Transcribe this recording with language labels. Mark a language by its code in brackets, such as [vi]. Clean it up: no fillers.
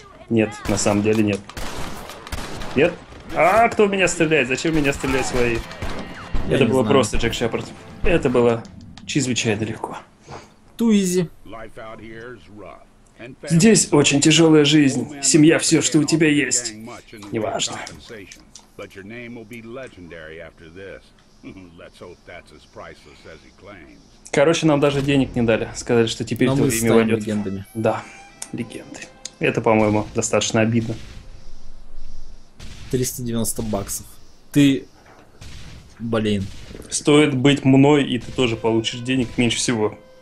[ru] Нет, на самом деле нет. Нет? А, кто в меня стреляет? Зачем меня стреляют свои? Это было просто, Джек Шепард. Это было чрезвычайно легко. [en] Too easy. [ru] Здесь очень тяжелая жизнь. Семья — все, что у тебя есть. Неважно. [en] But your name will be legendary after this. Let's hope that's as priceless as he claims. [ru] Короче, нам даже денег не дали. Сказали, что теперь твое имя войдет. Легендами. Да, легенды. Это, по-моему, достаточно обидно. 390 баксов. Ты... Блин. Стоит быть мной, и ты тоже получишь денег меньше всего.